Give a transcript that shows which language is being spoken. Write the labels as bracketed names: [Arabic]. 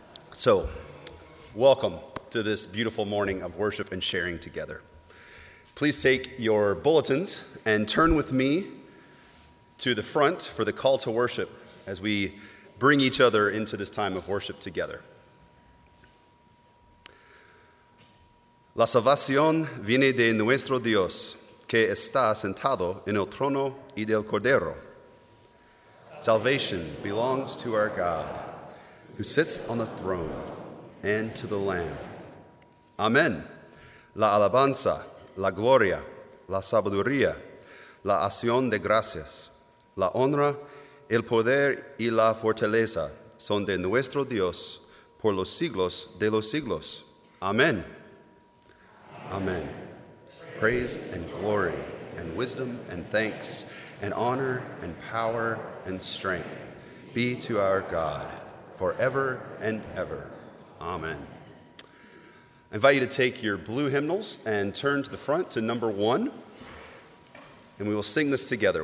[English] So, welcome to this beautiful morning of worship and sharing together. Please take your bulletins and turn with me to the front for the call to worship as we bring each other into this time of worship together. [Spanish] La salvación viene de nuestro Dios, que está sentado en el trono y del cordero. [English] Salvation belongs to our God, who sits on the throne, and to the Lamb. Amen. [Spanish] La alabanza, la gloria, la sabiduría, la acción de gracias, la honra, el poder y la fortaleza son de nuestro Dios por los siglos de los siglos. [English] Amen. Amen. Praise and glory and wisdom and thanks and honor and power and strength be to our God forever and ever. Amen. I invite you to take your blue hymnals and turn to the front to number one, and we will sing this together.